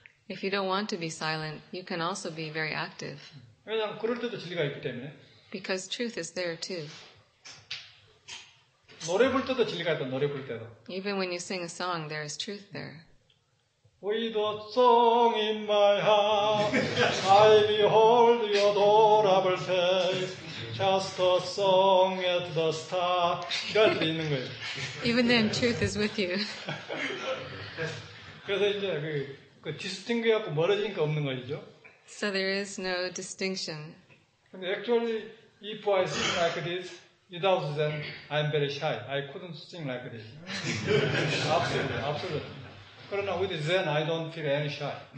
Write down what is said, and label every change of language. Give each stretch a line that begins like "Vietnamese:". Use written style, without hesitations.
English: If you don't want to be silent, you can also be very active.
Korean: 왜냐면 그럴 때도 진리가 있기 때문에.
English: Because truth is there too.
Korean: 노래 부를 때도 진리가 있다. 노래 부를 때도.
English: Even when you sing a song, there is truth there. With a song in my heart, I behold your adorable face. Just a song at the start.
Korean: 이렇게 있는 거예요.
English: Even then, truth is with you.
Korean: 그래서 이제 그 디스팅크 갖고 멀어지는 게 없는 거죠.
English: So there is no distinction. And actually, if I sing like this, without them, I'm very shy. I couldn't sing like this. Absolutely, absolutely. But now with Zen, I don't feel any shy.